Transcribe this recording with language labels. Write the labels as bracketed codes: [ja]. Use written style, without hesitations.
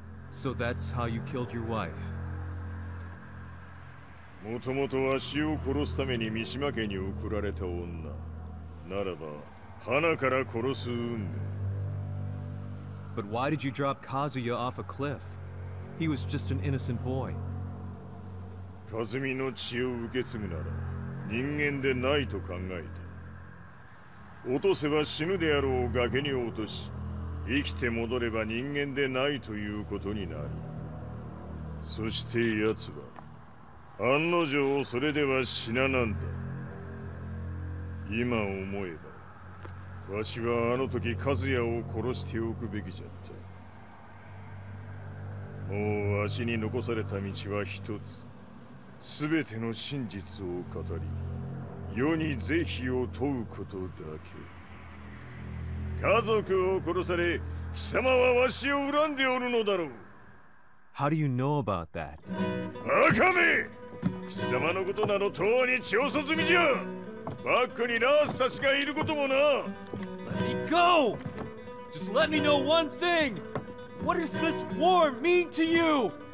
[en] So that's how you killed your wife. [ja] もともとは死を殺すために三島家に送られた女。ならば、花から殺す運命。 [en] But why did you drop Kazuya off a cliff? He was just an innocent boy. [ja] Kazumi の血を受け継ぐなら、人間でないと考えて。落とせば死ぬであろう崖に落とし、生きて戻れば人間でないということになる。そして奴は案の定それでは死ななんだ。今思えばわしはあの時カズヤを殺しておくべきじゃった。もうわしに残された道は一つ。全ての真実を語り、世に是非を問うことだけ。家族を殺され、貴様はわしを恨んでおるのだろう。 [en] How do you know about that? [ja] バカめ！貴様のことなど遠に調査済みじゃ。バックにラースたちがいることもな。 [en] Let me go! Just let me know one thing! What does this war mean to you?